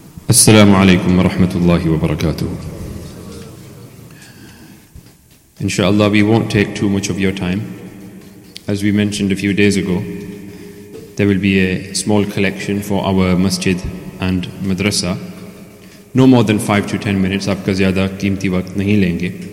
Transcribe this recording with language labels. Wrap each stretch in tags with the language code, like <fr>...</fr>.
<ar>السلام عليكم ورحمة الله وبركاته.</ar> <en>Inshallah, we won't take too much of your time. As we mentioned a few days ago, there will be a small collection for our masjid and madrasa. No more than 5 to 10 minutes.</en> <ur>آپ کا زیادہ قیمتی وقت نہیں لیں گے.</ur>